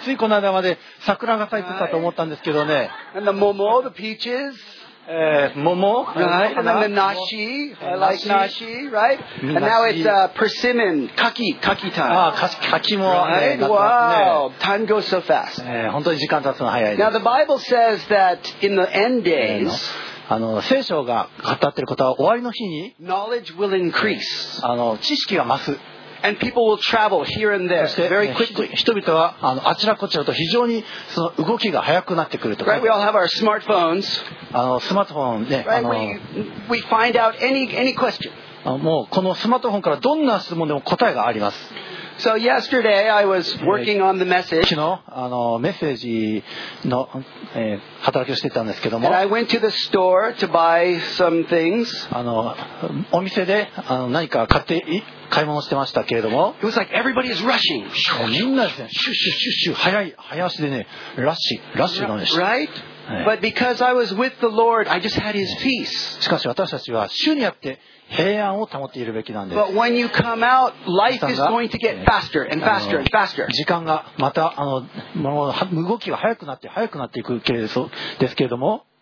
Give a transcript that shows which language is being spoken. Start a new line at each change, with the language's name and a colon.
Japanese: ついこの間まで桜が咲いてたと思ったんですけどね。
English: And the momo, the peaches.
Japanese: 桃
English: right? And then the nashi. I like nashi, right? And now it's persimmon. 柿, 柿 time.
Japanese: ああ、柿もね。Wow,
English: time goes so fast.
Japanese: 本当に時間経つの早いです。
English: Now the Bible says that in the end days,
Japanese: あの聖書が語っていることは終わりの日に、
English: knowledge will increase.
Japanese: 知識が増す。
English: And people will travel here and there very quickly.
Japanese: 人々はあちらこちらと非常にその動きが速くなってくると。
English: Right, we all have our smartphones.
Japanese: スマートフォンね。
English: Right, we find out any question.
Japanese: もうこのスマートフォンからどんな質問でも答えがあります。
English: So yesterday I was working on the message.
Japanese: 昨日メッセージの働きをしていたんですけども。
English: And I went to the store to buy some things.
Japanese: お店で何か買って買い物してましたけれども。
English: It was like everybody is rushing.
Japanese: みんなですね。シュッシュッシュッシュッ早足でねラッシュラッシュなんです。
English: Right? But because I was with the Lord, I just had His peace.
Japanese: しかし私たちは主にあって平安を保っているべきなんです。
English: But when you come out, life is going to get faster and faster and faster.
Japanese: 時間がまた動きが速くなって速くなっていくけれどですけれども。